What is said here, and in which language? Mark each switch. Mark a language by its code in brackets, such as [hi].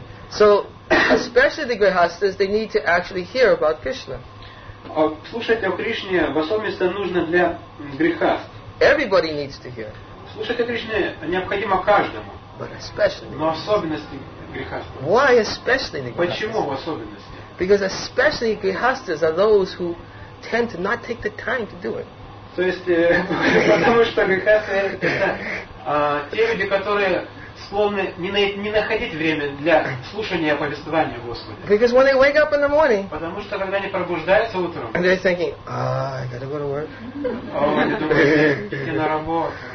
[en] so, especially the grihasthas, they need to actually hear about Krishna. [ru] Слушать о Кришне в особенности нужно для грихаст. [en] Everybody needs to hear. [ru] Слушать о Кришне необходимо каждому. [en] But especially. [ru] Но особенности грихаст. [en] Why especially the grihasthas? [ru] Почему в особенности? [en] Because especially grihasthas are those who tend to not take the time to do it. [ru] То есть, потому что грихасты те люди, которые словно не находить время для слушания повествования Господа. [en] Because when they wake up in the morning, [ru] потому что когда они пробуждаются утром, [en] and they're thinking, I gotta go to work. [ru] Oh, они думают, идти на работу.